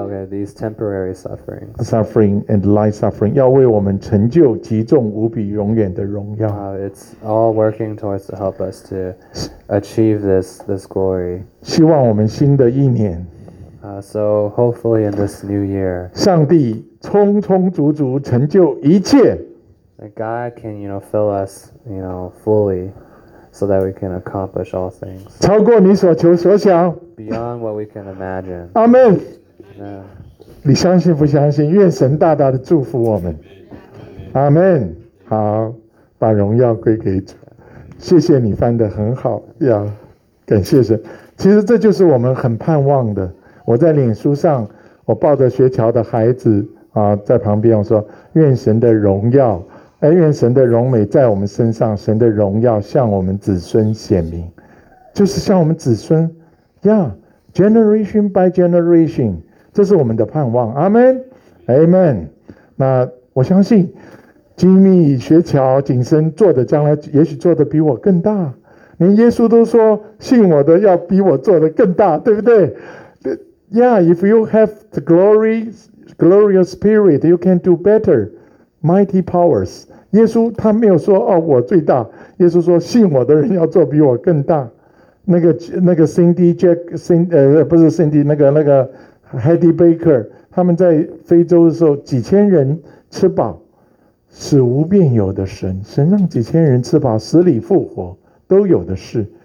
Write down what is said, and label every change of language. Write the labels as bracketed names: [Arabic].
[English] These temporary sufferings. Suffering and light suffering. [Chinese] 要为我们成就极重无比永远的荣耀。 [English] It's all working towards to help us to achieve this glory. [Chinese] 希望我们新的一年。 [English] So hopefully in this new year. [Chinese] 上帝充充足足成就一切。 [English] God can, you know, fill us, you know, fully. So that we can accomplish all things. [Chinese] 超过你所求所想。 [English] Beyond what we can imagine. [Chinese] Amen. 你相信不相信？愿神大大的祝福我们。Amen. 好，把荣耀归给主。谢谢你翻得很好，要感谢神。其实这就是我们很盼望的。我在脸书上，我抱着学桥的孩子在旁边，我说：愿神的荣耀。愿神的荣美在我们身上，神的荣耀向我们子孙显明，就是向我们子孙 [English] generation by generation， [Chinese] 这是我们的盼望。 [English] Amen Amen。 [Chinese] 那我相信金密学桥景深做的将来也许做的比我更大，连耶稣都说信我的要比我做的更大，对不对？ [English] If you have the glorious spirit you can do betterMighty powers. [Chinese] 耶稣他没有说哦我最大，耶稣说信我的人要做比我更大。那个 Cindy Jack不是 Cindy， 那个 Hedy Baker， 他们在非洲的时候几千人吃饱，是无变有的神，神让几千人吃饱，死里复活都有的事。